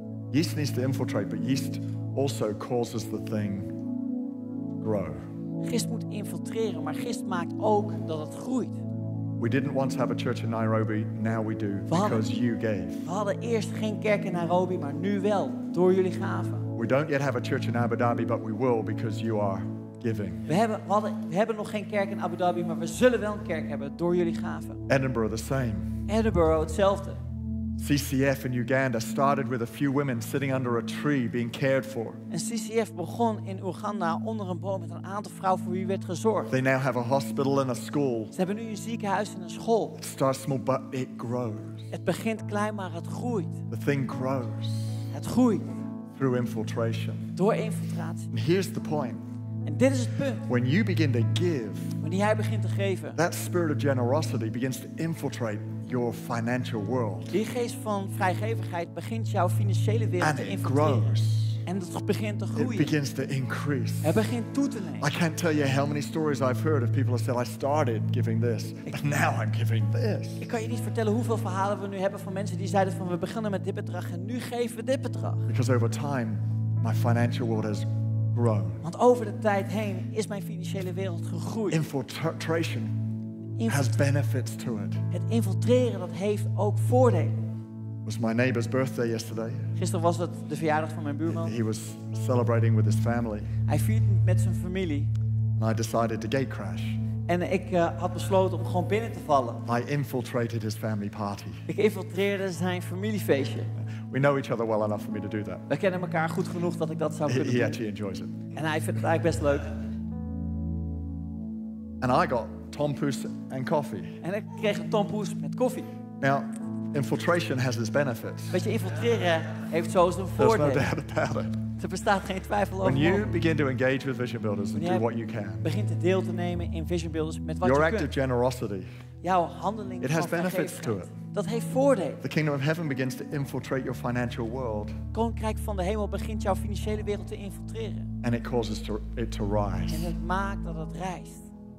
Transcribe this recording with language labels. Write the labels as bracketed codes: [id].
[en] Yeast needs to infiltrate, but yeast also causes the thing grow. [nl] Gist moet infiltreren, maar gist maakt ook dat het groeit. [en] We didn't once have a church in Nairobi, now we do, because you gave. [nl] We hadden eerst geen kerk in Nairobi, maar nu wel, door jullie gaven. [en] We don't yet have a church in Abu Dhabi, but we will, because you are giving. [nl] We hebben nog geen kerk in Abu Dhabi, maar we zullen wel een kerk hebben, door jullie gaven. [en] Edinburgh the same. [nl] Edinburgh hetzelfde. [en] CCF in Uganda started with a few women sitting under a tree being cared for. [nl] En CCF begon in Uganda onder een boom met een aantal vrouwen voor wie werd gezorgd. [en] They now have a hospital and a school. [nl] Ze hebben nu een ziekenhuis en een school. [en] It starts small, but it grows. [nl] Het begint klein, maar het groeit. [en] The thing grows. [nl] Het groeit. [en] Through infiltration. [nl] Door infiltratie. [en] And here's the point. [nl] En dit is het punt. [en] When you begin to give, [nl] wanneer jij begint te geven, [en] that spirit of generosity begins to infiltrate your financial world. [nl] Die geest van vrijgevigheid begint jouw financiële wereld [en] and [nl] te infiltreren. [en] Grows. [nl] En het begint te groeien. [en] It begins to increase. [nl] Het begint toe te nemen. [en] I can't tell you how many stories I've heard of people who said, I started giving this, but now I'm giving this. [nl] Ik kan je niet vertellen hoeveel verhalen we nu hebben van mensen die zeiden van we beginnen met dit bedrag en nu geven we dit bedrag. [en] Because over time, my financial world has grown. [nl] Want over de tijd heen is mijn financiële wereld gegroeid. [en] Infiltration has benefits to it. [nl] Het infiltreren dat heeft ook voordelen. [en] Was my neighbor's birthday yesterday. [nl] Gisteren was het de verjaardag van mijn buurman. [en] He was celebrating with his family. [nl] Hij vierde met zijn familie. [en] And I decided to gate crash. [nl] En ik had besloten om gewoon binnen te vallen. [en] I infiltrated his family party. [nl] Ik infiltreerde zijn familiefeestje. [en] We know each other well enough for me to do that. [nl] We kennen elkaar goed genoeg dat ik dat zou kunnen doen. [en] He actually enjoys it. [nl] En hij vindt het eigenlijk best leuk. [en] And I got tompoes and coffee. [nl] En ik kreeg tompoes met koffie. [en] Now, infiltration has its benefits. [nl] Weet je, infiltreren heeft zo zijn voordelen. [en] There's no doubt about it. [nl] Er bestaat geen twijfel over. [en] When you begin to engage with vision builders and do what you can. [nl] Begint deel te nemen in vision builders met wat [en] your [nl] je [en] act [nl] kunt. [en] Of generosity. [nl] Jouw handeling. [en] It has benefits to it. [nl] Dat heeft voordelen. [en] The kingdom of heaven begins to infiltrate your financial world. [nl] Koninkrijk van de hemel begint jouw financiële wereld te infiltreren. [en] And it causes it to rise. [nl] En het maakt dat het rijst.